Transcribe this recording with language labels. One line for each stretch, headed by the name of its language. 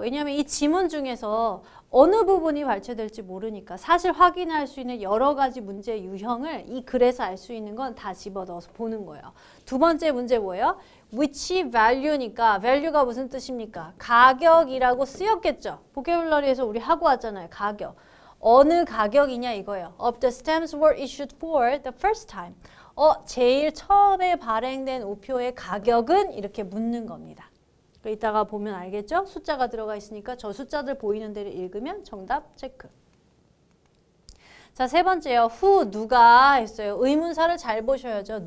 Korean: 왜냐하면 이 지문 중에서 어느 부분이 발췌될지 모르니까 사실 확인할 수 있는 여러 가지 문제 유형을 이 글에서 알 수 있는 건 다 집어넣어서 보는 거예요. 두 번째 문제 뭐예요?
English: Which value
Korean: 니까 value가 무슨 뜻입니까? 가격이라고 쓰였겠죠? 보케뷸러리에서 우리 하고 왔잖아요. 가격. 어느 가격이냐 이거예요.
English: Of the stamps were issued for the first time.
Korean: 제일 처음에 발행된 우표의 가격은? 이렇게 묻는 겁니다. 이따가 보면 알겠죠? 숫자가 들어가 있으니까 저 숫자들 보이는 대로 읽으면 정답 체크. 자, 세 번째요. Who, 누가 했어요? 의문사를 잘 보셔야죠.